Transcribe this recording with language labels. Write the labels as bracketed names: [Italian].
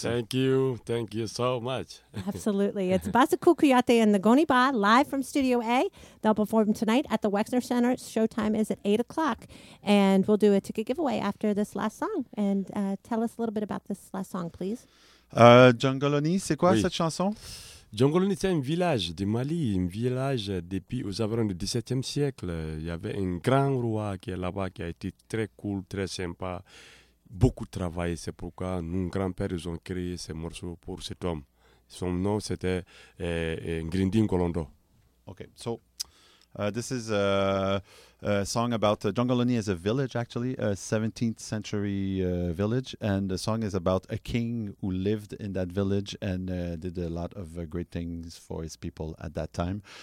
[English] Thank you. Thank you so much. Absolutely. It's Basakou Kouyaté and the Ngoni Ba live from Studio A. They'll perform tonight at the Wexner Center. Showtime is at 8 o'clock. And we'll do a ticket giveaway after this last song. And tell us a little bit about this last song, please. [French] Djangoloni, c'est quoi oui. cette chanson? Djangoloni, c'est un village du Mali, un village depuis aux environs du XVIIe siècle. Il y avait un grand roi qui est là-bas, qui a été très cool, très sympa, beaucoup travaillé. C'est pourquoi nos grands-pères, ils ont créé ces morceaux pour cet homme. Son nom, c'était Ngrindi Nkolondo. [English] Ok, so this is a song about Djangoloni as a village, actually, a 17th century village. And the song is about a king who lived in that village and did a lot of great things for his people at that time.